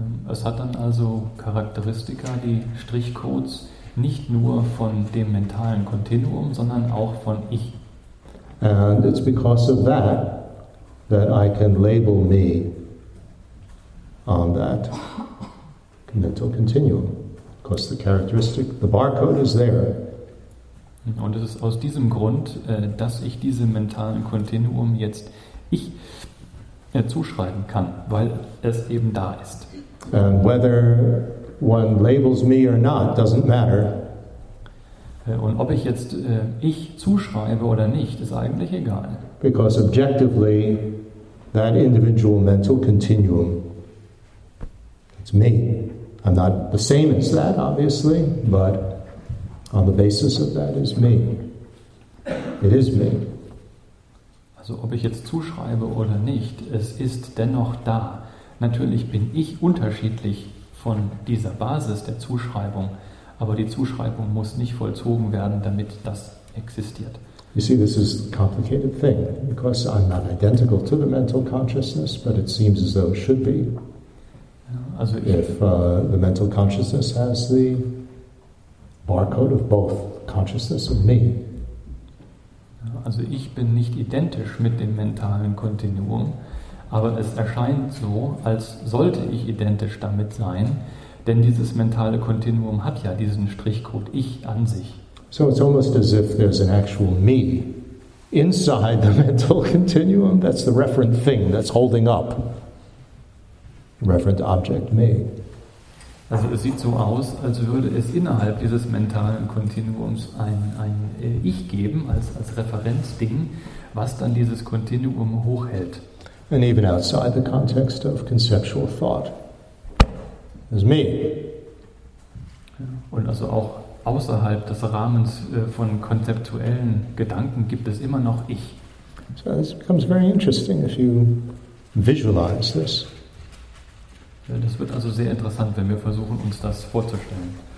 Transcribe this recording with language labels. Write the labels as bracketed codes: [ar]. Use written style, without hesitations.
[de] Es hat dann also Charakteristika, die Strichcodes, nicht nur von dem mentalen Kontinuum, sondern auch von ich. [en] And it's because of that, that I can label me on that mental continuum. Because the characteristic, the barcode is there. [de] Und es ist aus diesem Grund, dass ich diesem mentalen Kontinuum jetzt ich zuschreiben kann, weil es eben da ist. [en] And whether one labels me or not doesn't matter. [de] Und ob ich jetzt ich zuschreibe oder nicht, ist eigentlich egal. [en] Because objectively, that individual mental continuum, it's me. I'm not the same as that, obviously, but on the basis of that is me. It is me. [de] Also ob ich jetzt zuschreibe oder nicht, es ist dennoch da. Natürlich bin ich unterschiedlich von dieser Basis der Zuschreibung, aber die Zuschreibung muss nicht vollzogen werden, damit das existiert. [en] You see, this is a complicated thing, because I'm not identical to the mental consciousness, but it seems as though it should be. [de] Also [en] if the mental consciousness has the barcode of both consciousness and me. [de] Also ich bin nicht identisch mit dem mentalen Kontinuum, aber es erscheint so, als sollte ich identisch damit sein, denn dieses mentale Kontinuum hat ja diesen Strichcode Ich an sich. [en] So it's almost as if there's an actual me inside the mental continuum, that's the referent thing that's holding up. Referent object me. [de] Also es sieht so aus, als würde es innerhalb dieses mentalen Kontinuums ein Ich geben, als Referenzding, was dann dieses Kontinuum hochhält. [en] And even outside the context of conceptual thought, there's me. [de] Und also auch außerhalb des Rahmens von konzeptuellen Gedanken gibt es immer noch Ich. [en] So this becomes very interesting if you visualize this. [de] Das wird also sehr interessant, wenn wir versuchen, uns das vorzustellen.